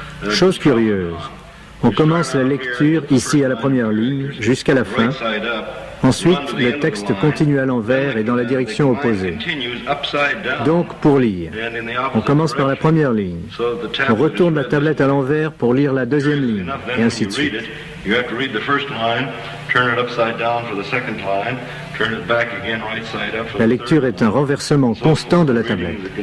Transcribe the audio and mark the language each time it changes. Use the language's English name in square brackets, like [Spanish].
[French] Chose curieuse, on commence la lecture ici à la première ligne, jusqu'à la fin. Ensuite, le texte continue à l'envers et dans la direction opposée. Donc, pour lire, on commence par la première ligne. On retourne la tablette à l'envers pour lire la deuxième ligne, et ainsi de suite. [English] You have to read the first line, turn it upside down for the second line, turn it back again right side up for the third line. [French] La lecture est un renversement constant de la tablette.